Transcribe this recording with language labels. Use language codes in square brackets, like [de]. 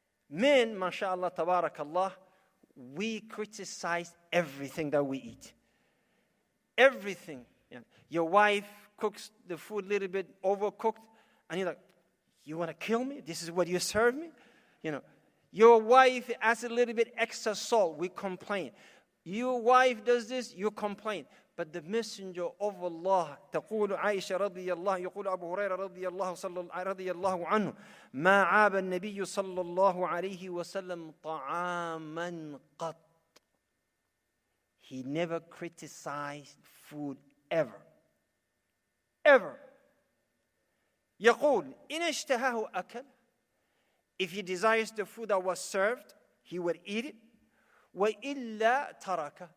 [en] Men, [ar] mashallah, tabarakallah, [en] we criticize everything that we eat. Everything. Yeah. Your wife cooks the food a little bit overcooked, and you're like, you want to kill me? This is what you serve me? You know, your wife adds a little bit extra salt, we complain. Your wife does this, you complain. But the messenger of Allah, [ar] تقول عائشة رضي الله يقول أبو هريرة رضي الله عنه ما عاب النبي صلى الله عليه وسلم طعاما قط. [en] He never criticized food ever. Ever. [ar] يقول إن اشتهاه أكل. [en] If he desires the food that was served, he will eat it. [ar] وَإِلَّا تَرَكَ.